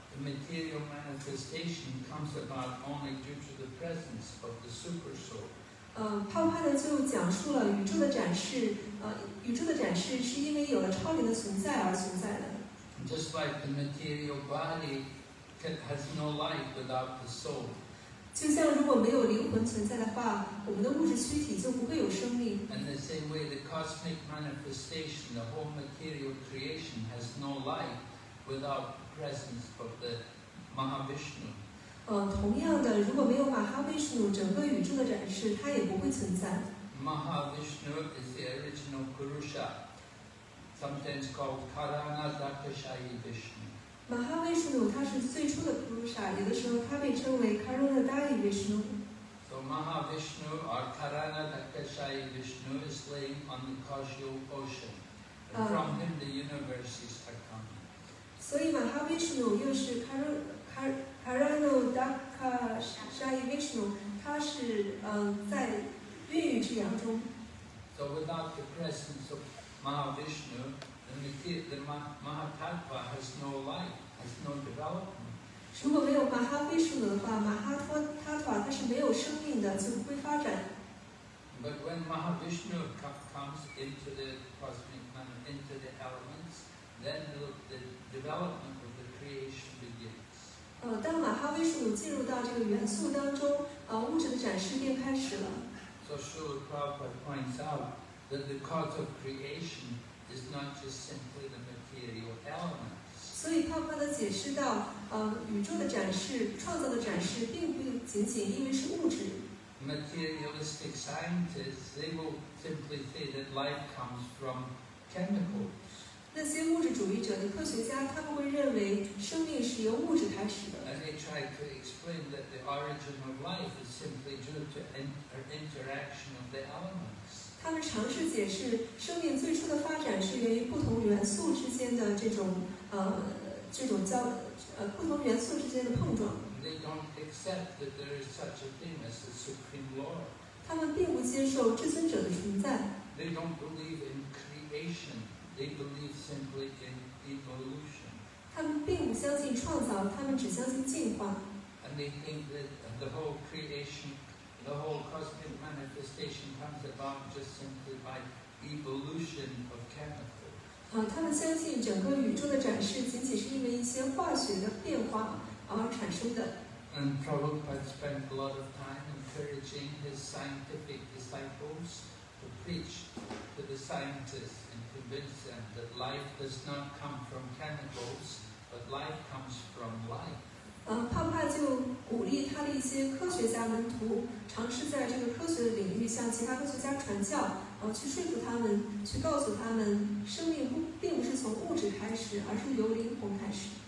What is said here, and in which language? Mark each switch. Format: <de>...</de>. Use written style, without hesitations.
<en>The material manifestation comes about only due to the presence of the super soul.</en> <zh>Prabhupada 就讲述了宇宙的展示，宇宙的展示是因为有了超灵的存在而存在的。</zh> <en>Just like the material body has no life without the soul.</en> <zh>就像如果没有灵魂存在的话，我们的物质躯体就不会有生命。</zh> <en>In the same way, the cosmic manifestation, the whole material creation, has no life without. Presence of the Mahavishnu.</en> <zh>同样的，如果没有马哈维什努，整个宇宙的展示它也不会存在。</zh> <en>Mahavishnu is the original Purusha, sometimes called Karana Dakshayi Vishnu.</en> <zh>马哈维什努它是最初的 Purusha, 有的时候它被称为 Karana Dakshayi Vishnu.</zh> <en>So Mahavishnu or Karana Dakshayi Vishnu is laying on the causal ocean, and from him the universes are coming.</en> <zh>所以马哈维什努又是卡拉诺达卡沙伊维什努，他是在孕育之阳中。</zh> <en>So without the presence of Mahavishnu, the Mahatattva has no life, has no development.</en> <zh>如果没有马哈维什努的话，马哈托塔塔他是没有生命的，就不会发展。</zh> <en>But when Mahavishnu comes into the cosmic into the elements. Then the development of the creation begins.</en> <zh>当马哈维什努进入到这个元素当中，物质的展示便开始了。</zh> <en>So Srila Prabhupada points out that the cause of creation is not just simply the material elements.</en> <zh>所以帕帕的解释到，宇宙的展示、创造的展示，并不仅仅因为是物质。</zh> <en>Materialistic scientists they will simply say that life comes from chemicals.</en> <zh>那些物质主义者的科学家，他们会认为生命是由物质开始的。</zh> <en>And they try to explain that the origin of life is simply due to interaction of the elements.</en> <zh>他们尝试解释生命最初的发展是源于不同元素之间的不同元素之间的碰撞。</zh> <en>They don't accept that there is such a thing as the supreme law.</en> <zh>他们并不接受至尊者的存在。</zh> <en>They don't believe in creation. They believe simply in evolution.</en> <zh>他们并不相信创造，他们只相信进化。</zh> <en>And they think that the whole creation, the whole cosmic manifestation comes about just simply by evolution of chemicals.</en> <zh>他们相信整个宇宙的展示仅仅是因为一些化学的变化而产生的。</zh> <en>And Prabhupada spent a lot of time encouraging his scientific disciples to preach to the scientists. Convince them that life does not come from chemicals, but life comes from life.</en> <zh>帕帕就鼓励他的一些科学家门徒尝试在这个科学的领域向其他科学家传教，去说服他们，去告诉他们，生命并不是从物质开始，而是由灵魂开始。</zh>